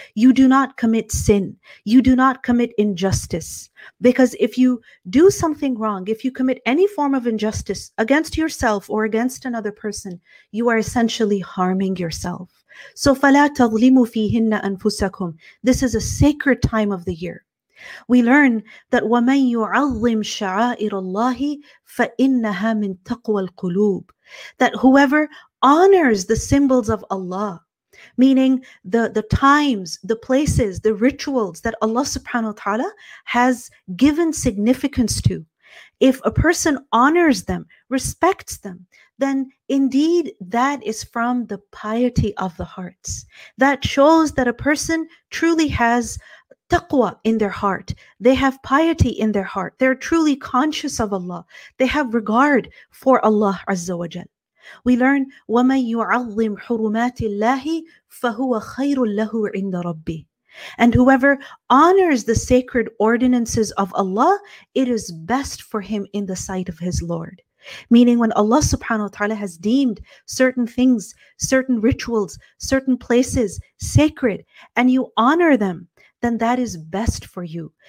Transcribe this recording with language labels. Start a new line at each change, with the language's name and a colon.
English: You do not commit sin. You do not commit injustice. Because if you do something wrong, if you commit any form of injustice against yourself or against another person, you are essentially harming yourself.
Arabic: So, فَلَا تَظْلِمُوا فِيهِنَّ أَنفُسَكُمْ.
English: This is a sacred time of the year. We learn that
Arabic: وَمَنْ يُعَظِّمْ شَعَائِرَ اللَّهِ فَإِنَّهَا مِنْ تَقْوَى الْقُلُوبِ.
English: That whoever honors the symbols of Allah, meaning the times, the places, the rituals that Allah subhanahu wa ta'ala has given significance to. If a person honors them, respects them, then indeed that is from the piety of the hearts. That shows that a person truly has taqwa in their heart. They have piety in their heart. They're truly conscious of Allah. They have regard for Allah Azza wa Jal. We learn,
Arabic: وَمَنْ يُعَظِّمْ حُرُمَاتِ اللَّهِ فَهُوَ خَيْرٌ لَهُ عِنْدَ رَبِّهِ.
English: And whoever honors the sacred ordinances of Allah, it is best for him in the sight of his Lord. Meaning when Allah subhanahu wa ta'ala has deemed certain things, certain rituals, certain places sacred, and you honor them, then that is best for you.